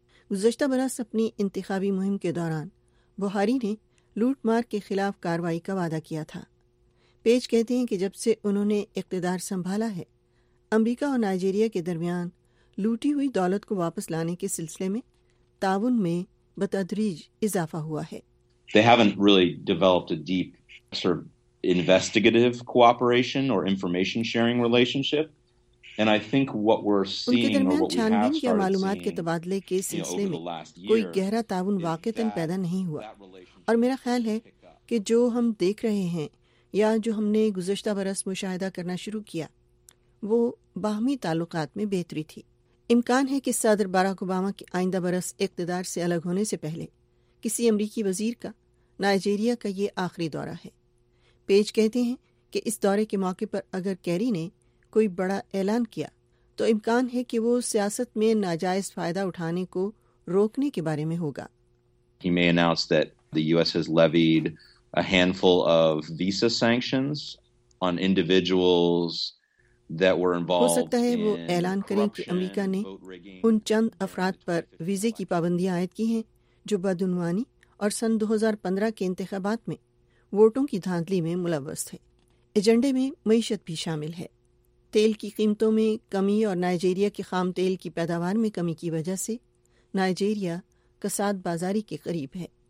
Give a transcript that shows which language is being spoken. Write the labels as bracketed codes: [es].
[ur] گزشتہ برس اپنی انتخابی مہم کے دوران بخاری نے لوٹ مار کے خلاف کارروائی کا وعدہ کیا تھا. پیج کہتے ہیں کہ جب سے انہوں نے اقتدار سنبھالا ہے امریکہ اور نائجیریا کے درمیان لوٹی ہوئی دولت کو واپس لانے کے سلسلے میں تعاون میں بتدریج اضافہ ہوا ہے. [en] They haven't really developed a deep sort of investigative cooperation or information sharing relationship. And I think what we're seeing or what we have started seeing [ur] یا معلومات کے تبادلے کے سلسلے میں کوئی گہرا تعاون واقعتاً پیدا نہیں ہوا، اور میرا خیال ہے کہ جو ہم دیکھ رہے ہیں یا جو ہم نے گزشتہ برس مشاہدہ کرنا شروع کیا وہ باہمی تعلقات میں بہتری تھی. امکان ہے کہ صدر باراک اوباما کے آئندہ برس اقتدار سے الگ ہونے سے پہلے کسی امریکی وزیر کا نائجیریا کا یہ آخری دورہ ہے. پیج کہتے ہیں کہ اس دورے کے موقع پر اگر کیری نے کوئی بڑا اعلان کیا تو امکان ہے کہ وہ سیاست میں ناجائز فائدہ اٹھانے کو روکنے کے بارے میں ہوگا. [en] He may announce that the US has levied a handful of visa sanctions on individuals that were involved. [ur] ہو سکتا ہے وہ اعلان کریں کہ امریکہ نے ان چند افراد پر ویزے کی پابندیاں عائد کی ہیں جو بدعنوانی اور سن 2015 کے انتخابات میں ووٹوں کی دھاندلی میں ملوث تھے. ایجنڈے میں معیشت بھی شامل ہے. تیل کی قیمتوں میں کمی اور نائجیریا کے خام تیل کی پیداوار میں کمی کی وجہ سے نائجیریا کساد بازاری کے قریب ہے.